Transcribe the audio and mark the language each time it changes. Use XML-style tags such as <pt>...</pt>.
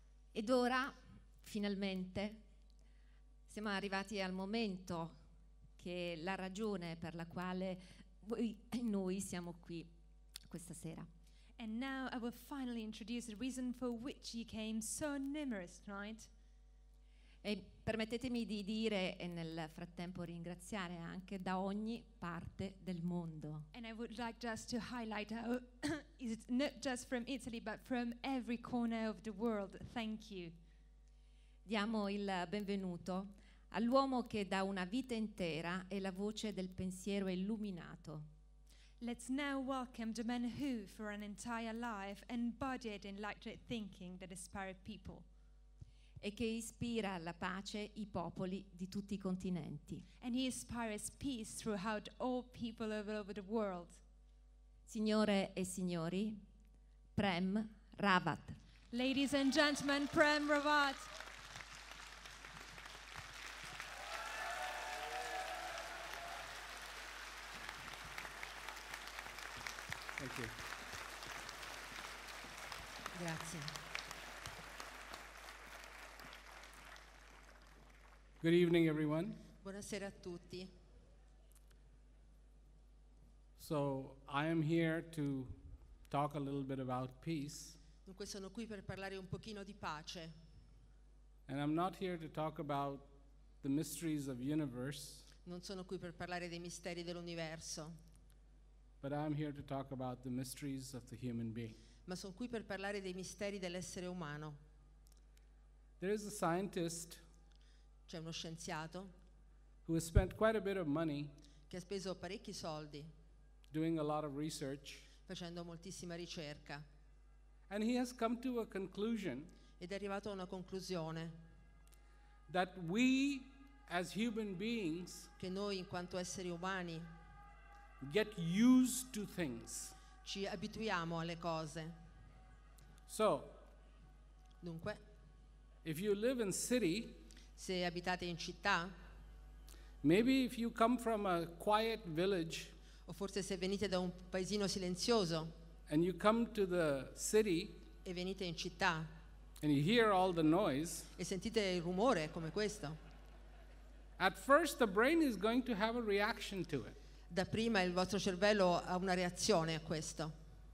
<it>Ed ora, finalmente, siamo arrivati al momento che la ragione per la quale noi siamo qui questa sera.</it> <en>And now I will finally introduce the reason for which you came so numerous tonight.</en> <it>E permettetemi di dire e nel frattempo ringraziare anche da ogni parte del mondo.</it> <en>And I would like just to highlight how is it not just from Italy but from every corner of the world. Thank you.</en> <it>Diamo il benvenuto all'uomo che da una vita intera è la voce del pensiero illuminato.</it> <en>Let's now welcome the man who for an entire life embodied enlightened thinking that inspired people.</en> <it>E che ispira alla pace i popoli di tutti i continenti.</it> <en>And he inspires peace throughout all people all over the world.</en> <it>Signore e signori, Prem Rawat.</it> <en>Ladies and gentlemen, Prem Rawat. Thank you.</en> <it>Grazie.</it> <en>Good evening, everyone.</en> <it>Buonasera a tutti.</it> <en>So I am here to talk a little bit about peace.</en> <it>Dunque sono qui per parlare un pochino di pace.</it> <en>And I'm not here to talk about the mysteries of universe.</en> <it>Non sono qui per parlare dei misteri dell'universo.</it> <en>But I'm here to talk about the mysteries of the human being.</en> <it>Ma sono qui per parlare dei misteri dell'essere umano.</it> <en>There is a scientist.</en> <it>C'è uno scienziato.</it> <en>Who has spent quite a bit of money.</en> <it>Che ha speso parecchi soldi.</it> <en>Doing a lot of research.</en> <it>Facendo moltissima ricerca.</it> <en>And he has come to a conclusion.</en> <it>Ed è arrivato a una conclusione.</it> <en>That we, as human beings.</en> <it>Che noi, in quanto esseri umani.</it> <en>Get used to things.</en> <it>Ci abituiamo alle cose.</it> <en>So.</en> <it>Dunque.</it> <en>If you live in city.</en> <it>Se abitate in città.</it> <en>Maybe if you come from a quiet village.</en> <it>O forse se venite da un paesino silenzioso.</it> <en>And you come to the city.</en> <it>E venite in città.</it> <en>And you hear all the noise.</en> <it>E sentite il rumore come questo.</it> <en>At first the brain is going to have a reaction to it.</en> <it>Da prima il vostro cervello ha una reazione a questo.</it>